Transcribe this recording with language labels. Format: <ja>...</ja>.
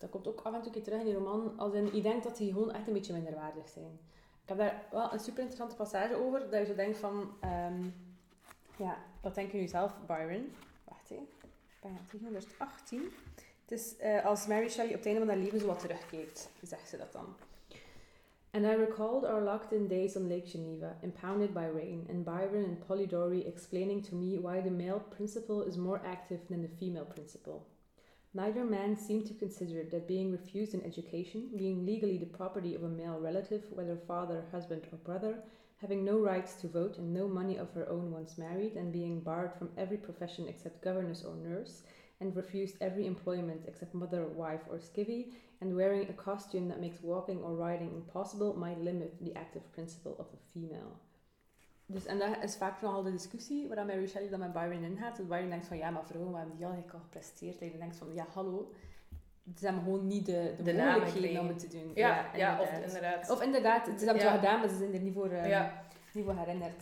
<nl>Dat komt ook af en toe keer terug in die roman. Als in, je denkt dat die gewoon echt een beetje minderwaardig zijn. Ik heb daar wel een super interessante passage over. Dat je zo denkt van... ja, wat denk je nu zelf, Byron? Wacht, hé. Ik ben 1918. Het is als Mary Shelley op het einde van haar leven zo wat terugkijkt. Zegt ze dat dan.</nl> <en>And I recalled our locked-in days on Lake Geneva, impounded by rain, and Byron and Polidori explaining to me why the male principle is more active than the female principle. Neither man seemed to consider that being refused an education, being legally the property of a male relative, whether father, husband, or brother, having no rights to vote and no money of her own once married, and being barred from every profession except governess or nurse, and refused every employment except mother, wife, or skivvy, and wearing a costume that makes walking or riding impossible, might limit the active principle of a female.</en> <nl>Dus, en dat is vaak nogal de discussie waar Mary Shelley dan met Byron in gaat. Dat Byron denkt van, ja, maar vrouwen, we hebben die eigenlijk al gepresteerd. En je denkt van, ja, hallo. Ze hebben gewoon niet de mogelijkheden om het te doen. Ja, ja, inderdaad. Of inderdaad, ze hebben het wel gedaan, maar ze zijn er niet voor, niet voor herinnerd.</nl>